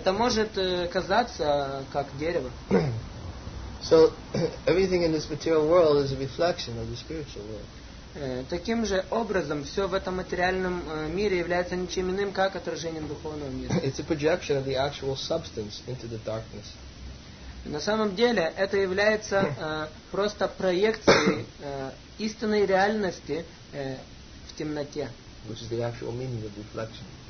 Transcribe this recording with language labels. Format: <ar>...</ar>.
<ru>Это может казаться как дерево.</ru> <en>So everything in this material world is a reflection of the spiritual world.</en> <ru>Таким же образом, все в этом материальном мире является ничем иным, как отражением духовного мира.</ru> <en>It's a projection of the actual substance into the darkness.</en> <ru>На самом деле, это является просто проекцией истинной реальности в темноте.</ru> <en>Which is the actual meaning of reflection.</en>